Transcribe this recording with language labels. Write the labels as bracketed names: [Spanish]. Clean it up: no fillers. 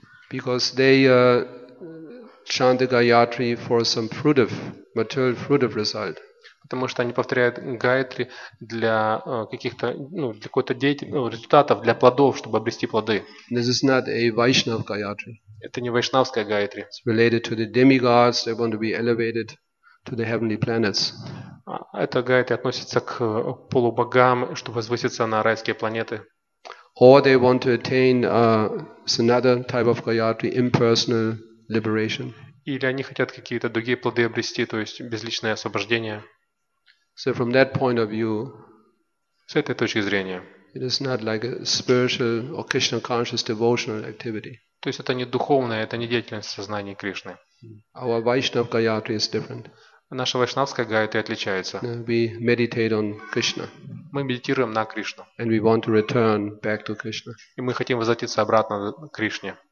[English] Because they chant the Gayatri for some fruitive, material fruitive result. [Russian] Потому что они повторяют гаятри для каких-то, ну, для какой-то деятельности, ну, результатов, для плодов, чтобы обрести плоды. [English] This is not a Vaishnava Gayatri. [Russian] Это не вайшнавская гаятри. [English] It's related to the demigods. They want to be elevated to the heavenly planets. [Russian] Эта гаятри относится к полубогам, чтобы возвыситься на райские планеты. [English] Or they want to attain another type of gayatri, impersonal liberation. [Russian] Или они хотят какие-то другие плоды обрести, то есть безличное освобождение. [English] So from that point of view, [Russian] с этой точки зрения, [English] it is not like a spiritual or Krishna conscious devotional activity. [Russian] То есть это не духовное, это не деятельность сознания Кришны. [English] Our Vaishnav Gayatri is different. [Russian] Наша вайшнавская гаятри отличается. [English] We meditate on Krishna. [Russian] Мы медитируем на Кришну. [English] And we want to return back to Krishna. [Russian] И мы хотим возвратиться обратно к Кришне.